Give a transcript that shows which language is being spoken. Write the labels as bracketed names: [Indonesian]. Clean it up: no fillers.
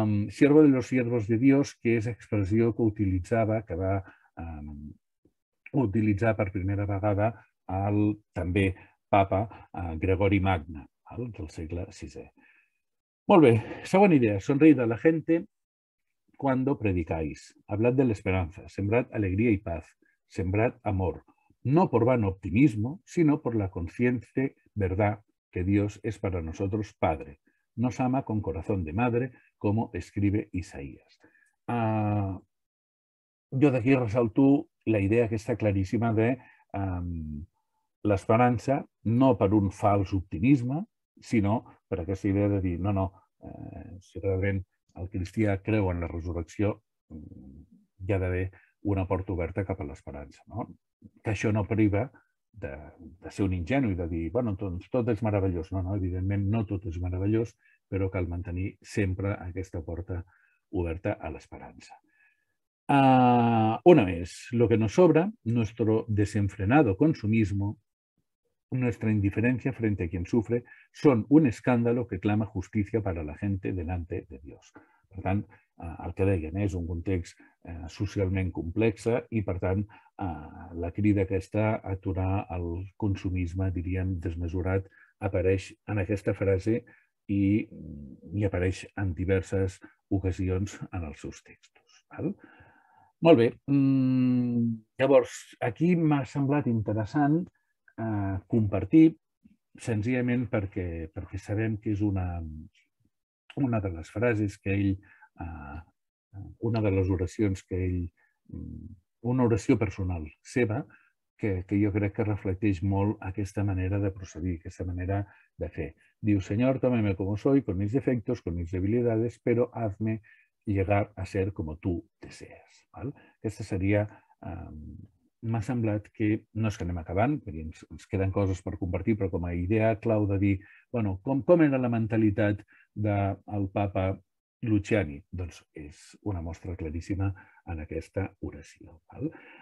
[Catalan] Siervo de los siervos de Dios, que és expressió que utilitzava, que va utilitzar per primera vegada el també papa Gregori Magne, del segle VI. Molt bé, segona idea. [Spanish] Sonreid a la gente cuando predicáis. Hablad de l'esperança, sembrad alegria i paz, sembrad amor. No por vano optimismo, sino por la consciente verdad que Dios es para nosotros Padre. Nos ama con corazón de madre, como escribe Isaías. [Catalan] Jo d'aquí ressalto la idea aquesta claríssima de l'esperança, no per un fals optimisme, sinó per aquesta idea de dir, no, si realment el cristià creu en la resurrecció, hi ha d'haver una porta oberta cap a l'esperança, no? Que això no priva de ser un ingenu i de dir, bueno, doncs tot és meravellós. No, evidentment no tot és meravellós, però cal mantenir sempre aquesta porta oberta a l'esperança. [Spanish] Una més, lo que nos sobra, nuestro desenfrenado consumismo, nuestra indiferencia frente a quien sufre, son un escándalo que clama justicia para la gente delante de Dios. [Catalan] Per tant, el que deien és un context socialment complex i, per tant, la crida aquesta a aturar el consumisme, diríem, desmesurat, apareix en aquesta frase i apareix en diverses ocasions en els seus textos. Val? Molt bé. Llavors, aquí m'ha semblat interessant compartir, senzillament perquè sabem que és una de les frases que ell... una de les oracions que ell... una oració personal seva que jo crec que reflecteix molt aquesta manera de procedir, aquesta manera de fer. Diu, Senyor, [Spanish] tómeme como soy, con mis defectos, con mis debilidades, pero hazme llegar a ser como tú deseas. [Catalan] Val? Aquesta seria... m'ha semblat que no és que anem acabant, perquè ens queden coses per compartir, però com a idea clau de dir, bueno, com era la mentalitat del papa Luciani, doncs és una mostra claríssima en aquesta oració. Val?